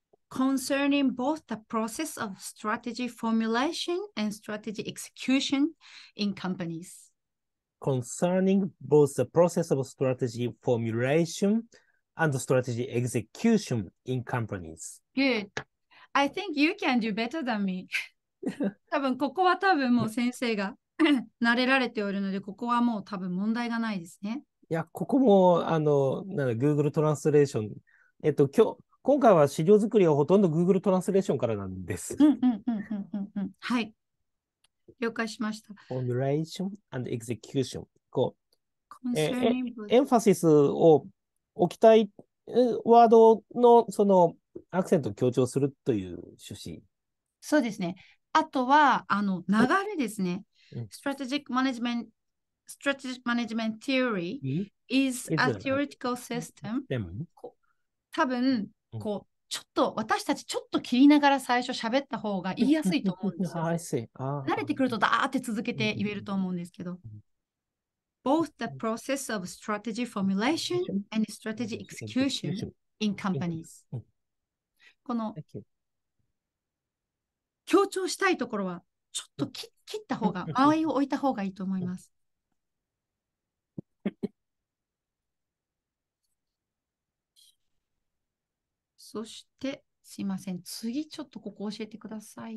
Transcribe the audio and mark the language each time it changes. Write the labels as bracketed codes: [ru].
[en] Concerning both the process of strategy formulation and strategy execution in companies. Concerning both the process of strategy formulation and strategy execution in companies. Good. I think you can do better than me. [ja] 多分ここは多分もう先生が慣れられておるので、ここはもう多分問題がないですね。いや、ここも、Google トランスレーション。今回は資料作りはほとんど Google トランスレーションからなんです。はい。了解しました。 [en] Formulation and execution. こう。 Concerning [ja] both. Emphasis を置きたいワードのそのアクセントを強調するという趣旨。そうですね。あとは、流れですね。 [en] Strategic management. Strategic management theory is a theoretical system. [ja] 多分こうちょっと私たちちょっと切りながら最初喋った方が言いやすいと思うんですよ。慣れてくるとダーって続けて言えると思うんですけど。 [en] Both the process of strategy formulation and strategy execution in companies. [ja] この強調したいところはちょっと切った方が間合いを置いた方がいいと思います。そしてすいません、次ちょっとここ教えてください。